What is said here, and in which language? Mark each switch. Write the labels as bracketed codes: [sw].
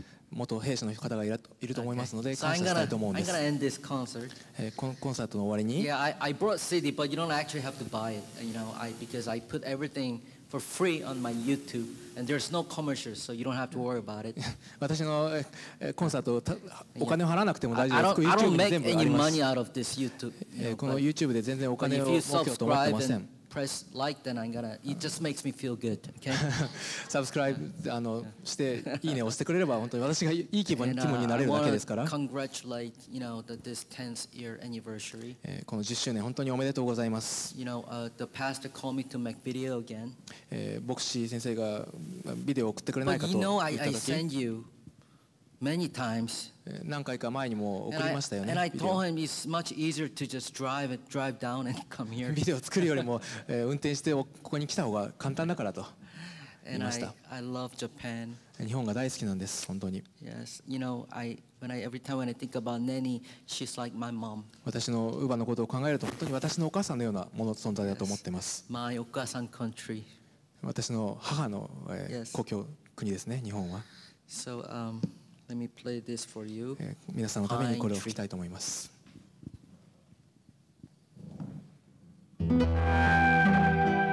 [ja] 元兵士の方がいると思いますので感謝したいと思うんです。 [en] I'm gonna end this concert. [ja] このコンサートの終わりに [en] Yeah, I brought CD, but you don't actually have to buy it. You know, because I put everything for free on my YouTube, and there's no commercials, so you don't have to worry about it. [ja] 私のコンサート、お金を払わなくても大丈夫です。 [en] I don't make any money out of this YouTube. [ja] この YouTube で全然お金を儲けようと思ってません。 [en] Press like, then I'm gonna. It just makes me feel good. Okay. [ja] Subscribe, して、いいねを押してくれれば、本当に私がいい気分になれるだけですから。 [en] Congratulate, you know, this 10th year anniversary. [ja] この10周年本当におめでとうございます。 [en] You know, the pastor called me to make video again. [ja] 牧師先生がビデオを送ってくれないかと言った時。 [en] But you know, I send you many times. [ja] 何回か前にも送りましたよね。 [en] And I told him it's much easier to just drive down and come here. [ja] ビデオ作るよりも運転してここに来た方が簡単だからと言いました。 [en] And I love Japan. [ja] 日本が大好きなんです本当に。 [en] Yes, you know, every time when I think about Nanny, she's like my mom. [ja] 私のウバのことを考えると本当に私のお母さんのような存在だと思っています。 [en] My [ja] お母さん [en] country. [ja] 私の母の故郷国ですね日本は。 [en] So Let me play this for you. [ja] 皆さんのためにこれを聴きたいと思います。